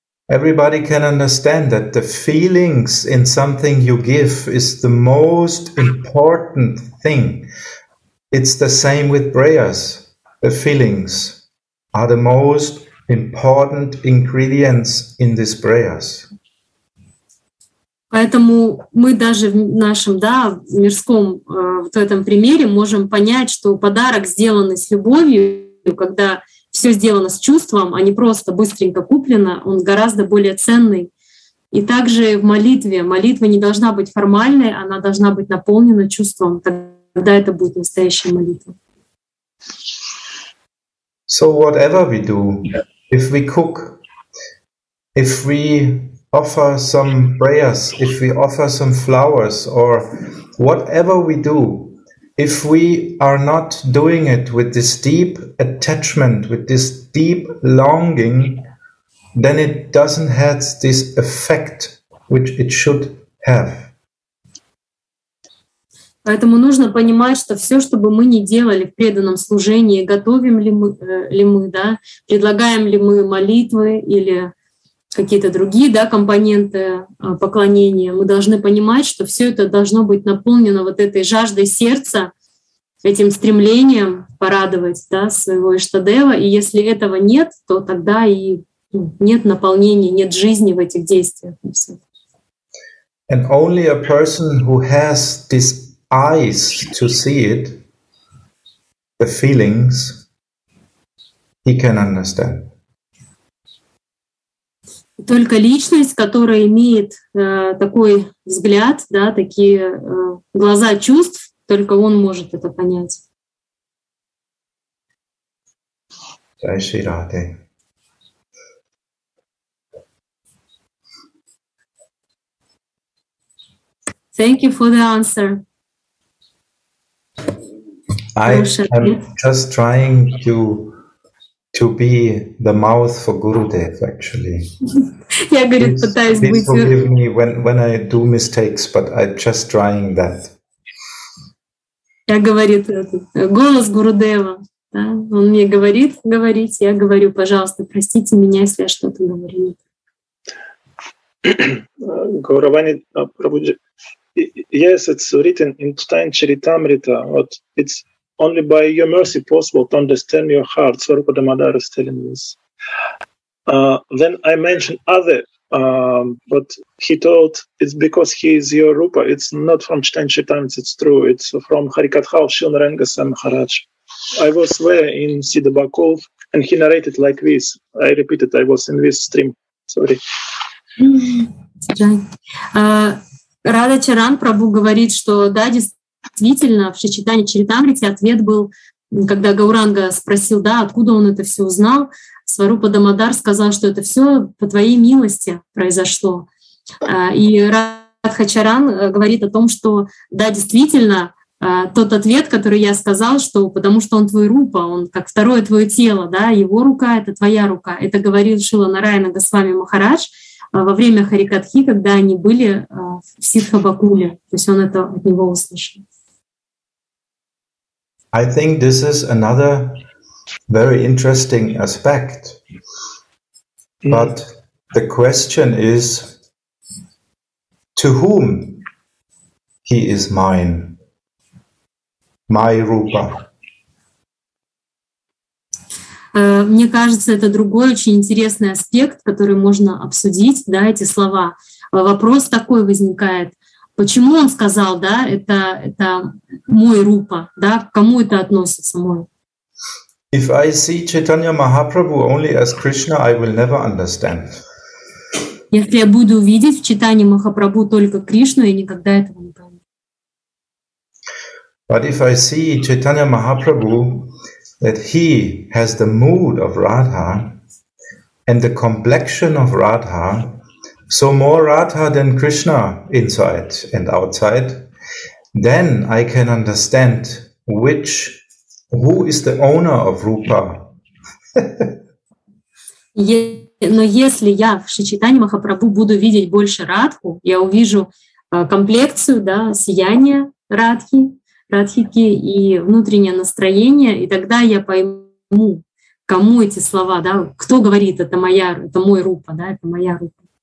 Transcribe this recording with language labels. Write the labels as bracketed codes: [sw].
[en] Everybody can understand that the feelings in something you give is the most important thing. It's the same with prayers. The feelings are the most important ingredients in these prayers. [ru] Поэтому мы даже в нашем, да, мирском вот этом примере можем понять, что подарок, сделанный с любовью, когда все сделано с чувством, а не просто быстренько куплено, он гораздо более ценный. И также в молитве. Молитва не должна быть формальной, она должна быть наполнена чувством. Тогда это будет настоящая молитва. [en] So whatever we do, if we cook, if we offer some prayers, if we offer some flowers, or whatever we do, if we are not doing it with this deep attachment, with this deep longing, then it doesn't have this effect which it should have. [ru] Поэтому нужно понимать, что все, что бы мы ни делали в преданном служении, готовим ли мы, да, предлагаем ли мы молитвы или какие-то другие, да, компоненты поклонения, мы должны понимать, что все это должно быть наполнено вот этой жаждой сердца, этим стремлением порадовать, да, своего иштадева. И если этого нет, то тогда и нет наполнения, нет жизни в этих действиях. [en] And only a person who has this eyes to see it, the feelings, He can understand. [ru] Только личность, которая имеет такой взгляд, да, такие глаза чувств, только он может это понять. [hi] Jai Shri Radhe. [en] Thank you for the answer. I am just trying to be the mouth for Gurudev, actually. [ru] Я говорю, пытаюсь быть. [en] Please forgive me when I do mistakes, but I'm just trying that. [ru] Я говорит, голос Гурудева, да? Он мне говорит говорить, я говорю, пожалуйста, простите меня, если я что-то говорю. Гуравани Прабуджи. [en] Yes, it's written in Tathagata Charitamrita, but it's only by your mercy possible to understand your heart. Swarupa Damodara is telling this. Then I mentioned other, but he told it's because he is your Rupa. It's not from Tathagata Charitamrita, it's true. It's from Harikatha of Srila Narayana Maharaj. I was there in Siddhabakov, and he narrated like this. I repeat it, I was in this stream. Sorry. [ru] Рада Чаран Прабу говорит, что да, действительно, в Шичитане Чаритамрите ответ был, когда Гауранга спросил, да, откуда он это все узнал, Сварупа Дамодар сказал, что это все по твоей милости произошло. И Радха Чаран говорит о том, что да, действительно, тот ответ, который я сказал, что потому что он твой рупа, он как второе твое тело, да, его рука — это твоя рука. Это говорил Шрила Нараяна Госвами Махарадж во время Харикатхи, когда они были в Сиддхабакуле. То есть он это от него услышал. [en] I think this is another very interesting aspect. But the question is, to whom he is mine? My Rupa. [ru] Мне кажется, это другой очень интересный аспект, который можно обсудить, да, эти слова. Вопрос такой возникает. Почему он сказал, да, это мой рупа, да, к кому это относится, мой? [en] If I see Chaitanya Mahaprabhu only as Krishna, I will never understand. [ru] Если я буду видеть в Чайтанье Махапрабху только Кришну, я никогда этого не пойму. [en] But if I see Chaitanya Mahaprabhu that he has the mood of Radha and the complexion of Radha, so more Radha than Krishna inside and outside, then I can understand who is the owner of Rupa. [ru] Но если я в Шичитане Махапрабху буду видеть больше Радху, я увижу комплекцию, да, сияние Радхи, Радхики и внутреннее настроение, и тогда я пойму, кому эти слова, да, кто говорит, это мой рупа, да, это моя рупа.